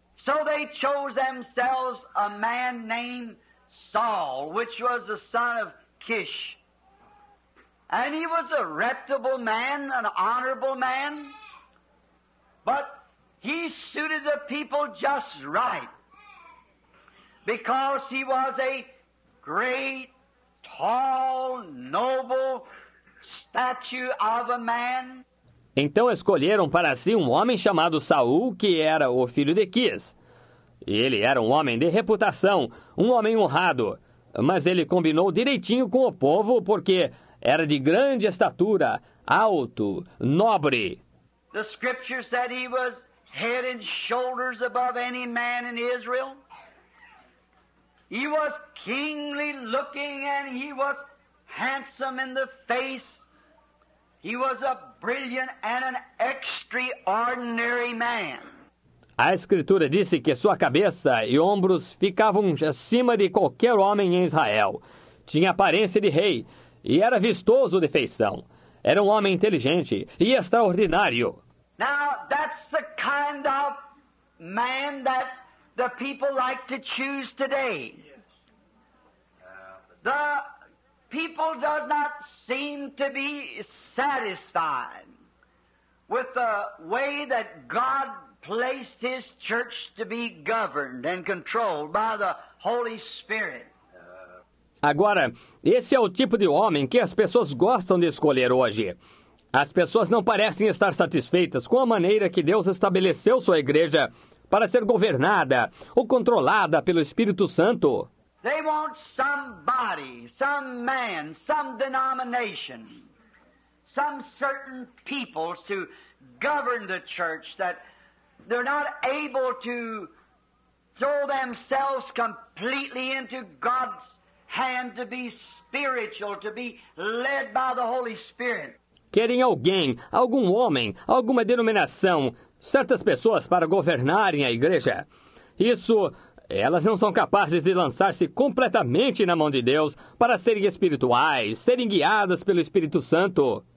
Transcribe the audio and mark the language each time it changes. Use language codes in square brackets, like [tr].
[en] So they chose themselves a man named Saul, which was the son of Kish. And he was a reputable man, an honorable man. But he suited the people just right, because he was a great, tall, noble statue of a man. [pt] Então escolheram para si um homem chamado Saul, que era o filho de Quis. E ele era um homem de reputação, um homem honrado. Mas ele combinou direitinho com o povo, porque era de grande estatura, alto, nobre. [en] The scripture said he was head and shoulders above any man in Israel. He was kingly looking and he was handsome in the face. He was a brilliant and an extraordinary man. [pt] A escritura disse que sua cabeça e ombros ficavam acima de qualquer homem em Israel. Tinha aparência de rei e era vistoso de feição. Era um homem inteligente e extraordinário. [en] Now, that's the kind of man that the people like to choose today. The people does not seem to be satisfied with the way that God placed his church to be governed and controlled by the Holy Spirit. [pt] Agora, esse é o tipo de homem que as pessoas gostam de escolher hoje. As pessoas não parecem estar satisfeitas com a maneira que Deus estabeleceu sua igreja para ser governada ou controlada pelo Espírito Santo. [en] They want somebody, some man, some denomination, some certain people to govern the church that they're not able to throw themselves completely into God's hand to be spiritual, to be led by the Holy Spirit. [pt] Querem alguém, algum homem, alguma denominação, certas pessoas para governarem a igreja. Isso, elas não são capazes de lançar-se completamente na mão de Deus para serem espirituais, serem guiadas pelo Espírito Santo.